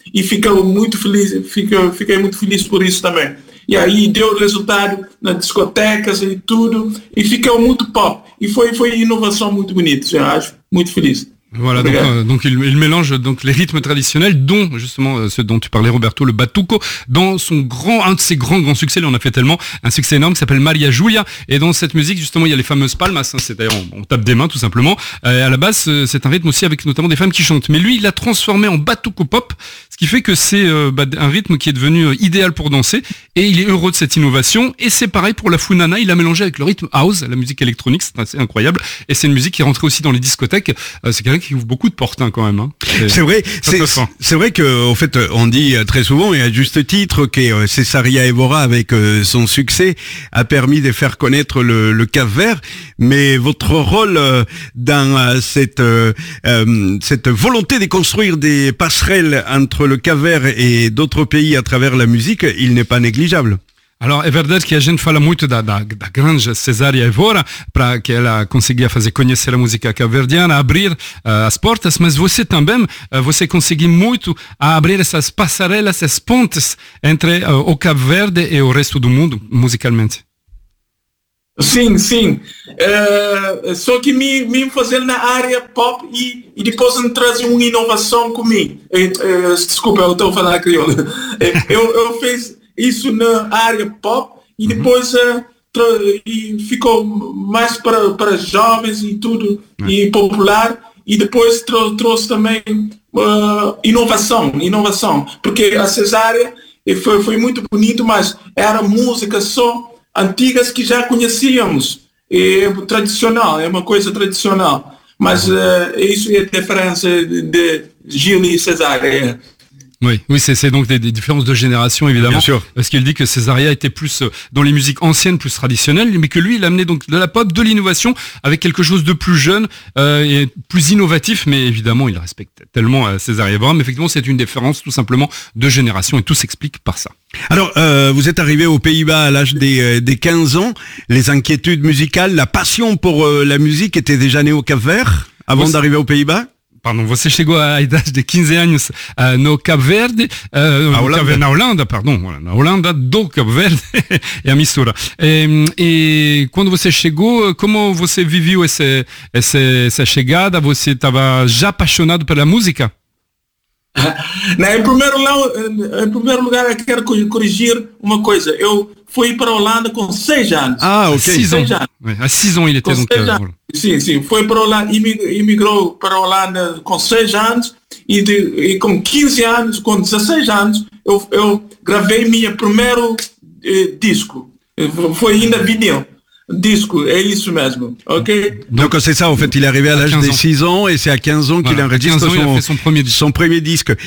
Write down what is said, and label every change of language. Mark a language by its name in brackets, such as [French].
[Portuguese] E fiquei muito feliz por isso também. E aí deu resultado nas discotecas e tudo. E fiquei muito pop. E foi inovação muito bonita, eu acho. Muito feliz. [French] Voilà, donc il mélange donc les rythmes traditionnels, dont justement ce dont tu parlais, Roberto, le batuco, dans un de ses grands succès. On a fait tellement un succès énorme qui s'appelle Maria Julia. Et dans cette musique, justement, il y a les fameuses palmas. Hein, c'est d'ailleurs on tape des mains tout simplement. À la base, c'est un rythme aussi avec notamment des femmes qui chantent. Mais lui, il l'a transformé en batuco pop, ce qui fait que c'est un rythme qui est devenu idéal pour danser. Et il est heureux de cette innovation. Et c'est pareil pour la funana. Il l'a mélangé avec le rythme house, la musique électronique. C'est assez incroyable. Et c'est une musique qui est rentrée aussi dans les discothèques. C'est quelqu'un qui ouvre beaucoup de portes, hein, quand même. Hein. C'est vrai qu'en fait, on dit très souvent, et à juste titre, que Cesaria Évora, avec son succès, a permis de faire connaître le Cap-Vert. Mais votre rôle dans cette volonté de construire des passerelles entre le Cap-Vert et d'autres pays à travers la musique, il n'est pas négligeable. Alors, est vrai que [Portuguese] la gente fala muito da grande Cesaria Évora, para que ela conseguia fazer conhecer a música cap-verdiana, abrir as portas, mas você também, você conseguiu muito a abrir essas passarelas, essas pontes entre o Cabo Verde e o resto do mundo, musicalmente. Sim, sim. Só que me fazer na área pop e depois me trazer uma inovação comigo. Desculpa, eu estou falando crioulo. Eu fiz... isso na área pop e depois e ficou mais para jovens e tudo, e popular, e depois trouxe também inovação, porque a Cesaria foi muito bonito, mas era música só antigas que já conhecíamos, e tradicional, é uma coisa tradicional, mas isso é a diferença de Gil e Cesaria. [French] Oui, c'est donc des différences de génération, évidemment. Bien sûr. Parce qu'il dit que Cesaria était plus dans les musiques anciennes, plus traditionnelles, mais que lui, il amenait donc de la pop, de l'innovation, avec quelque chose de plus jeune et plus innovatif. Mais évidemment, il respecte tellement Cesaria Évora. Mais effectivement, c'est une différence tout simplement de génération et tout s'explique par ça. Alors, vous êtes arrivé aux Pays-Bas à l'âge des 15 ans. Les inquiétudes musicales, la passion pour la musique était déjà née au Cap-Vert avant d'arriver aux Pays-Bas? [Portuguese] Pardon, você chegou à idade de 15 anos no Cabo Verde, na Holanda, do Cabo Verde, é a mistura. E quando você chegou, como você viveu essa chegada? Você estava já apaixonado pela música? Em primeiro lugar, eu quero corrigir uma coisa. Eu fui para a Holanda com 6 anos. Ah, ok. 6 anos. Há 6 anos ele com tem 6 anos. Sim, sim. Foi para a Holanda, imigrou para a Holanda com 6 anos e com 15 anos, com 16 anos, eu gravei meu primeiro disco. Foi ainda vinil. Disco, é isso mesmo, ok? [French] Donc c'est ça, en fait, il est arrivé à l'âge des 6 ans et c'est à 15 ans qu'il enregistre son premier disque.